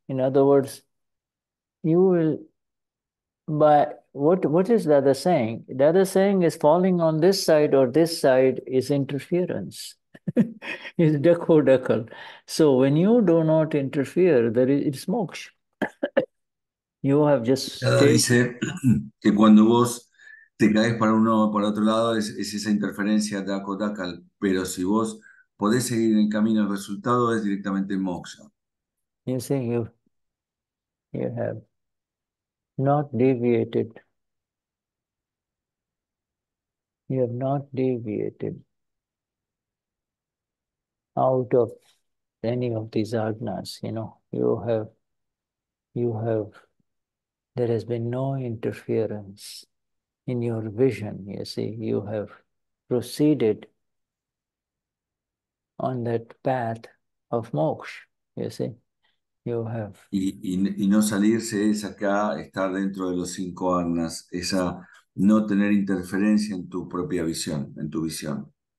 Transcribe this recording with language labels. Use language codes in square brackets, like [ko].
[en] In other words, you will, by what is Dada saying? Dada saying is falling on this side or this side is interference. Is dako dakal. So when you do not interfere, there is, it's moksha. You have just [es] Dada dice que cuando vos te caes para uno o para otro lado es esa interferencia dako dakal, pero si vos podés seguir en el camino, el resultado es directamente moksha. [en] You see, you have not deviated. You have not deviated out of any of these agnas. You know, there has been no interference in your vision. You see, you have proceeded on that path of moksha. You see. You have. [es] Y no salirse es acá estar dentro de los cinco agnas, esa no tener interferencia en tu propia visión, en tu visión.